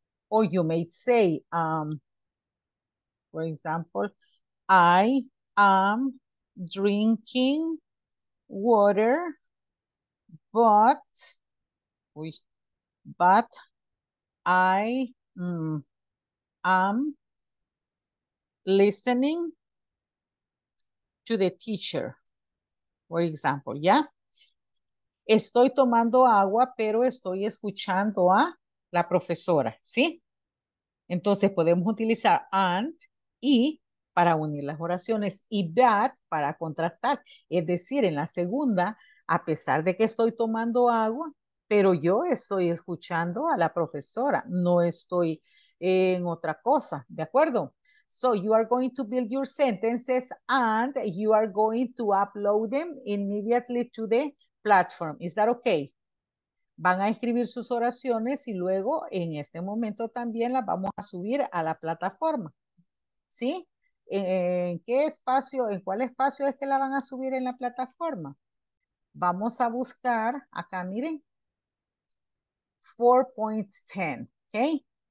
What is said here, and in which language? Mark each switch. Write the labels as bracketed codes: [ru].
[en] Or you may say, for example, I am drinking water, but I am listening to the teacher, for example, yeah? [es] Estoy tomando agua, pero estoy escuchando a la profesora, ¿sí? Entonces podemos utilizar and y para unir las oraciones y that para contrastar. Es decir, en la segunda, a pesar de que estoy tomando agua, pero yo estoy escuchando a la profesora, no estoy en otra cosa, ¿de acuerdo? [en] So you are going to build your sentences and you are going to upload them immediately to the platform. Is that okay? [es] Van a escribir sus oraciones y luego en este momento también las vamos a subir a la plataforma. ¿Sí? ¿En qué espacio, en cuál espacio es que la van a subir en la plataforma? Vamos a buscar acá, miren, 4.10, ¿okay?